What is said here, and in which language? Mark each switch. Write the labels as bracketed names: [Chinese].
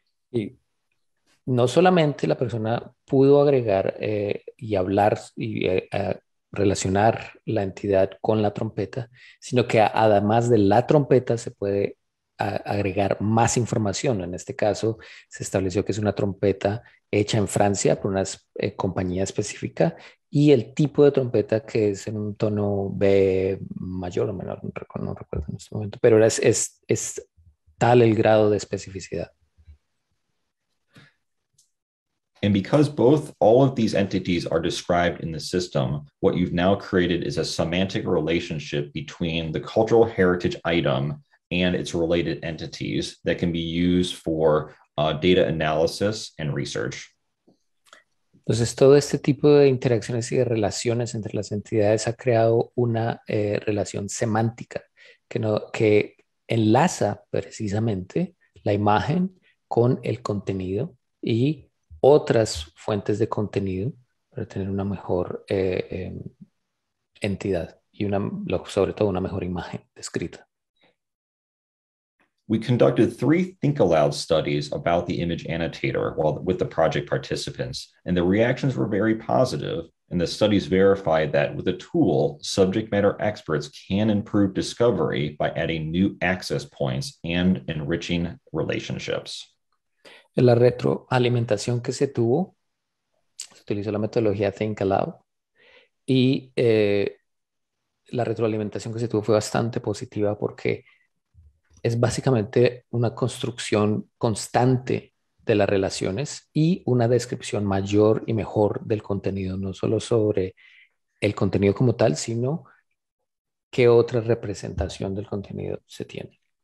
[Spanish] Y no solamente la persona pudo agregar y hablar y relacionar la entidad con la trompeta, sino que además de la trompeta se puede agregar más información. En este caso, se estableció que es una trompeta hecha en Francia por una compañía específica y el tipo de trompeta que es en un tono B mayor o menor, no recuerdo en este momento, pero es tal el grado de especificidad. [English] And because both all of these entities are described in the system, what you've now created is a semantic relationship between the cultural heritage item and its related entities that can be used for data analysis and research. [Spanish] Entonces, todo este tipo de interacciones y de relaciones entre las entidades ha creado una relación semántica que enlaza precisamente la imagen con el contenido y otras fuentes de contenido para tener una mejor entidad y sobre todo una mejor imagen descrita. [English] We conducted 3 think-aloud studies about the image annotator with the project participants, and the reactions were very positive, and the studies verified that with a tool, subject matter experts can improve discovery by adding new access points and enriching relationships. [Spanish] En la retroalimentación que se tuvo, se utilizó la metodología think-aloud, y la retroalimentación que se tuvo fue bastante positiva porque es básicamente una construcción constante de las relaciones y una descripción mayor y mejor del contenido, no solo sobre el contenido como tal, sino qué otra representación del contenido se tiene.